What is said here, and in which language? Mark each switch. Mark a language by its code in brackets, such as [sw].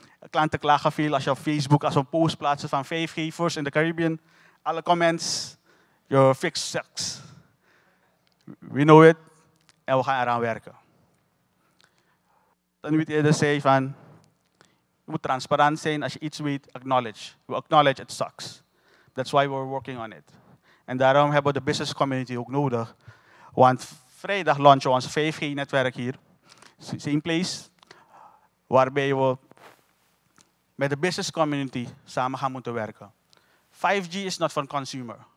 [nl] Klanten klagen veel als je op Facebook als een post plaatsen van 5G-vers in de Caribbean. Alle comments, [en] your fix sucks. We know it [nl] en we gaan eraan werken. Dan moet je eerder zeggen van, je moet transparant zijn als je iets weet, acknowledge. [en] We acknowledge it sucks. That's why we're working on it. [nl] En daarom hebben we de business community ook nodig. Want vrijdag launchen we ons 5G-netwerk hier. [en] Same place. [nl] Waarbij we met de business community samen gaan moeten werken. [en] 5G is not for consumer.